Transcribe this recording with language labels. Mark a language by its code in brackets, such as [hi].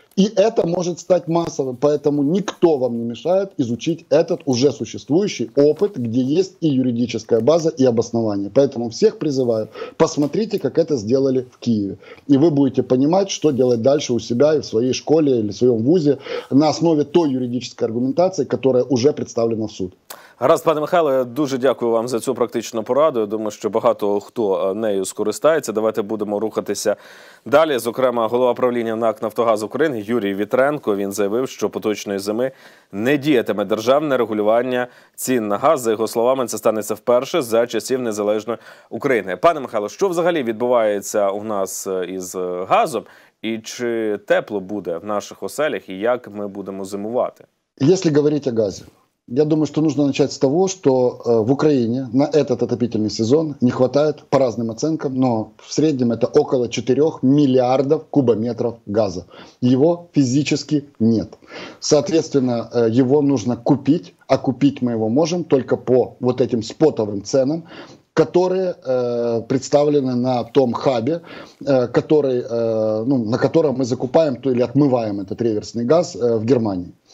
[ru] И это может стать массовым, поэтому никто вам не мешает изучить этот уже существующий опыт, где есть и юридическая база, и обоснование. Поэтому всех призываю, посмотрите, как это сделали в Киеве. И вы будете понимать, что делать дальше у себя и в своей школе или в своем вузе на основе той юридической аргументации, которая уже представлена в суд. [uk] Гаразд, пане Михайло, я дуже дякую вам за цю практичну пораду. Я думаю, що багато хто нею скористається. Давайте будемо рухатися далі. Зокрема, голова правління НАК «Нафтогаз України» Юрій Вітренко, він заявив, що поточної зими не діятиме державне регулювання цін на газ. За його словами, це станеться вперше за часів незалежної України. Пане Михайло, що взагалі відбувається у нас із газом? І чи тепло буде в наших оселях? І як ми будемо зимувати? Якщо говорити о газі, [ru] я думаю, что нужно начать с того, что в Украине на этот отопительный сезон не хватает, по разным оценкам, но в среднем это около 4 миллиардов кубометров газа. Его физически нет. Соответственно, его нужно купить, а купить мы его можем только по вот этим спотовым ценам, которые представлены на том хабе, который, ну, на котором мы закупаем то, или отмываем этот реверсный газ в Германии.